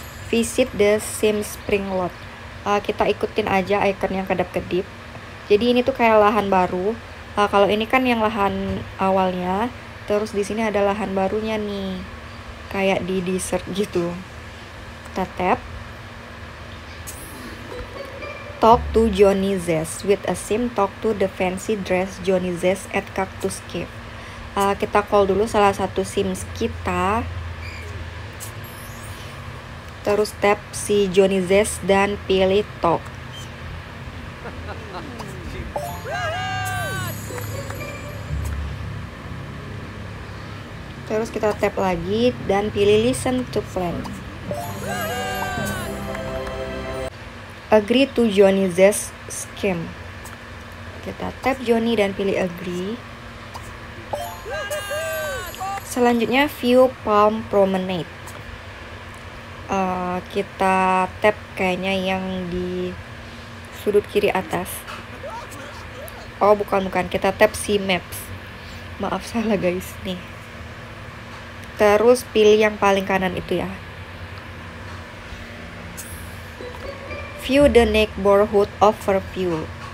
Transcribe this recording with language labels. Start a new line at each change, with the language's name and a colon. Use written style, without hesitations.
English: Visit the Sims Spring Lot.
Indonesian: Kita ikutin aja icon yang kedap-kedip. Jadi ini tuh kayak lahan baru. Kalau ini kan yang lahan awalnya, terus di sini ada lahan barunya nih, kayak di desert gitu. Kita tap.
English: Talk to Johnny Zest with a sim. Talk to the fancy dress Johnny Zest at Cactus Cave.
Indonesian: Kita call dulu salah satu sims kita. Terus tap si Johnny Zest dan pilih talk. Terus kita tap lagi dan pilih
English: listen to plan. Agree to Johnny Zest's scheme.
Indonesian: Kita tap Johnny dan pilih agree. Selanjutnya
English: view Palm Promenade.
Indonesian: Kita tap kayaknya yang di sudut kiri atas. Oh bukan, kita tap si maps. Maaf salah guys nih. Terus pilih yang paling kanan itu ya.
English: View the neighborhood overview.